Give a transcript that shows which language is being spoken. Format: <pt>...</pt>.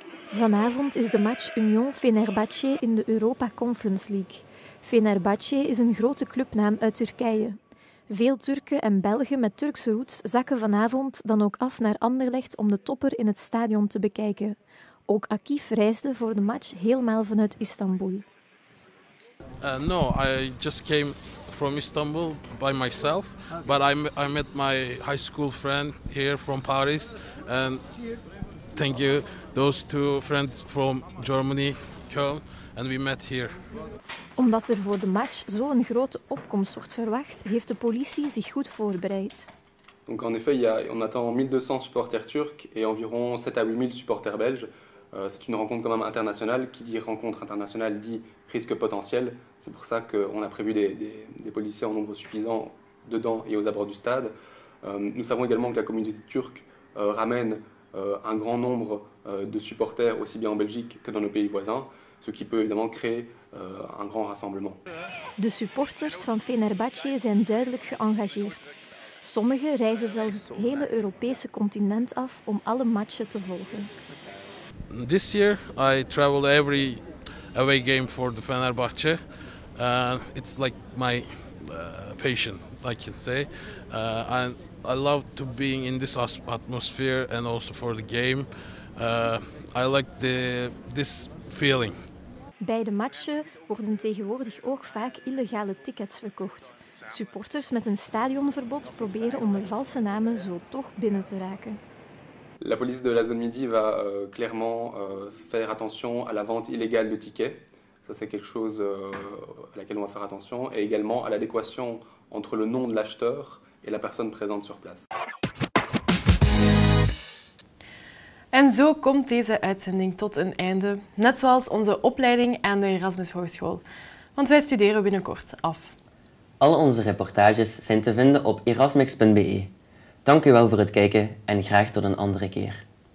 <nl>Vanavond is de match Union Fenerbahçe in de Europa Conference League. Fenerbahçe is een grote clubnaam uit Turkije. Veel Turken en Belgen met Turkse roots zakken vanavond dan ook af naar Anderlecht om de topper in het stadion te bekijken. Ook Akif reisde voor de match helemaal vanuit Istanbul.</nl> <en>No, I just came from Istanbul by myself, but I met my high school friend here from Paris, and thank you, those two friends from Germany, Köln, and we met here.</en> <nl>Omdat er voor de match zo'n grote opkomst wordt verwacht, heeft de politie zich goed voorbereid.</nl> <fr>Donc en effet, on attend 1200 supporters turcs et environ 7 à 8000 supporters belges. C'est une rencontre quand même internationale. Qui dit rencontre internationale dit risque potentiel. C'est pour ça qu'on a prévu des policiers en nombre suffisant dedans et aux abords du stade. Nous savons également que la communauté turque ramène un grand nombre de supporters aussi bien en Belgique que dans nos pays voisins, ce qui peut évidemment créer un grand rassemblement.</fr> <nl>De supporters van Fenerbahçe zijn duidelijk geëngageerd. Sommigen reizen zelfs het hele Europese continent af om alle matchen te volgen.</nl> <en>This year I travel every away game for the Fenerbahçe. It's like my passion, I can say. I love to be in this atmosphere and also for the game. I like this feeling.</en> <nl>Bij de matchen worden tegenwoordig ook vaak illegale tickets verkocht. Supporters met een stadionverbod proberen onder valse namen zo toch binnen te raken.</nl> <fr>La police de la zone midi va clairement faire attention à la vente illégale de tickets. Ça, c'est quelque chose à laquelle on va faire attention. Et également à l'adéquation entre le nom de l'acheteur et la personne présente sur place.</fr> <nl>En zo komt deze uitzending tot een einde. Net zoals onze opleiding aan de Erasmus Hogeschool. Want wij studeren binnenkort af. Al onze reportages zijn te vinden op erasmix.be. Dank u wel voor het kijken en graag tot een andere keer.</nl>